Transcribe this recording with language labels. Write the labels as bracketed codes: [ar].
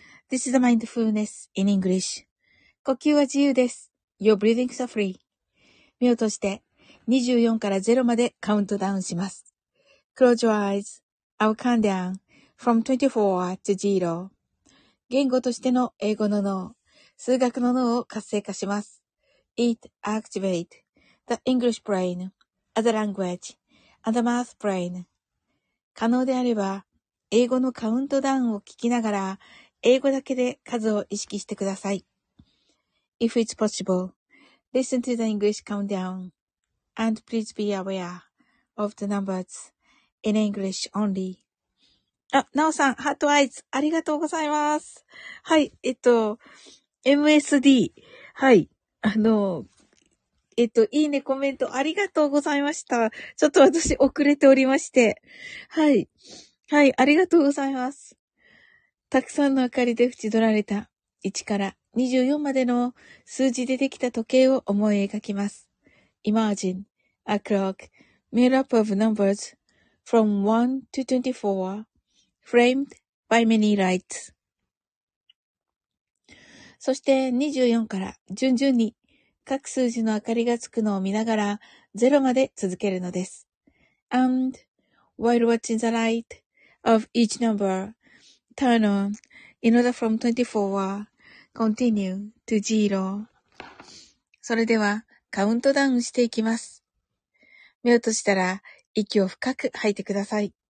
[en] This is the mindfulness in English. [ja] 呼吸は自由です。 [en] Your breathing is free. [ja] 目を閉じて24から0までカウントダウンします。 [en] Close your eyes. I'll count down from 24 to 0. [ja] 言語としての英語の脳、数学の脳を活性化します。 [en] It activates the English brain as a language. And the math brain. [ja] 可能であれば、英語のカウントダウンを聞きながら、英語だけで数を意識してください。 [en] If it's possible, listen to the English countdown. And please be aware of the numbers in English only. [ja] あ、なおさん、ハートアイズ、ありがとうございます。はい、MSD。はい、いいね、コメント、ありがとうございました。ちょっと私、遅れておりまして。はい。はい、ありがとうございます。たくさんの明かりで縁取られた、1から24までの数字でできた時計を思い描きます。 [en] Imagine a clock made up of numbers from 1 to 24, framed by many lights. [ja] そして、24から順々に、各数字の明かりがつくのを見ながら、ゼロまで続けるのです。 [en] And while watching the light of each number turn on in order from 24, continue to zero. [ja] それでは、カウントダウンしていきます。目を閉じたら、息を深く吐いてください。